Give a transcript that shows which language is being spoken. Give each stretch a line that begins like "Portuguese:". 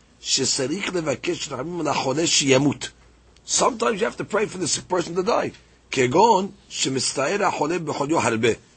Hebrew: שצריך לבקש רחמים על החולה שימות.
English: Sometimes you have to pray for the sick person to die.
Hebrew: כגון שמצטער החולה בחוליו הרבה.